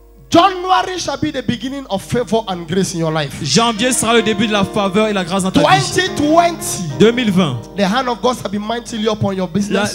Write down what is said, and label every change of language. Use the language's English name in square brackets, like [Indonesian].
[English] January shall be the beginning of favor and grace in your life. [French] Janvier sera le début de la faveur et la grâce dans ta vie. 2020. [English] The hand of God shall be mightily upon your business.